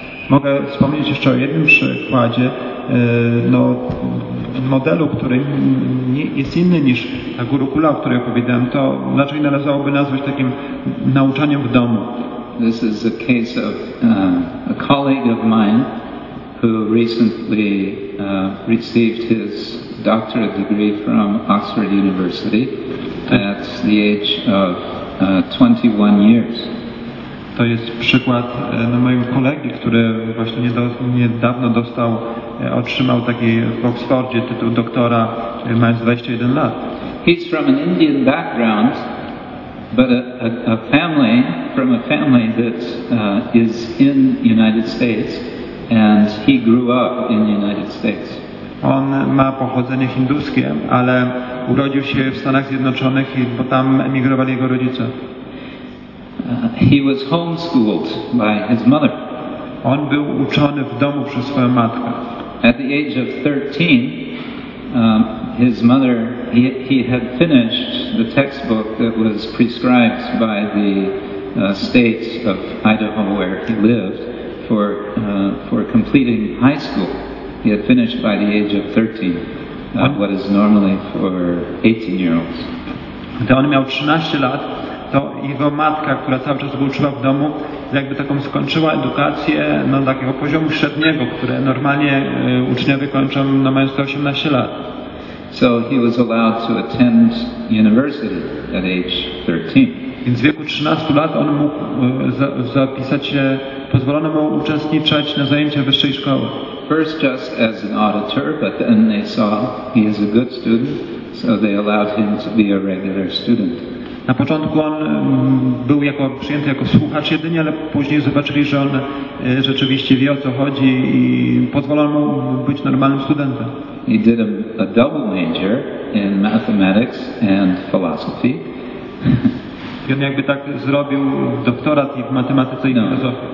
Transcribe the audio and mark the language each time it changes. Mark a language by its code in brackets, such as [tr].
[pl] Mogę wspomnieć jeszcze o jednym przykładzie, no, modelu, który nie, jest inny niż ta gurukula, o której opowiadałem, to raczej należałoby nazwać takim nauczaniem w domu. [en] This is a case of a colleague of mine who recently received his doctorate degree from Oxford University at the age of 21 years. [pl] To jest przykład mojego kolegi, który właśnie niedawno dostał, otrzymał taki w Oxfordzie tytuł doktora, mając 21 lat. [en] He's from an Indian background, but a family, from a family that is in the United States, and he grew up in the United States. [pl] On ma pochodzenie hinduskie, ale urodził się w Stanach Zjednoczonych, bo tam emigrowali jego rodzice. [en] He was homeschooled by his mother. [pl] On był uczony w domu przez swoją matkę. [en] At the age of 13, his mother, he had finished the textbook that was prescribed by the state of Idaho where he lived for completing high school. He had finished by the age of 13, what is normally for 18-year-olds. [pl] To on miał 13 lat. To jego matka, która cały czas go uczyła w domu, jakby taką skończyła edukację na takiego poziomu średniego, które normalnie uczniowie kończą na mając 18 lat. [en] So he was allowed to attend university at age 13. [pl] Więc w wieku 13 lat on mógł zapisać się, pozwolono mu uczestniczyć na zajęcia wyższej szkoły. [en] First just as an auditor, but then they saw he is a good student, so they allowed him to be a regular student. [pl] Na początku on był jako przyjęty jako słuchacz jedynie, ale później zobaczyli, że on rzeczywiście wie, o co chodzi i pozwolono mu być normalnym studentem. [en] He did a double major in mathematics and philosophy. [pl] I on jakby tak zrobił doktorat i w matematyce i filozofii.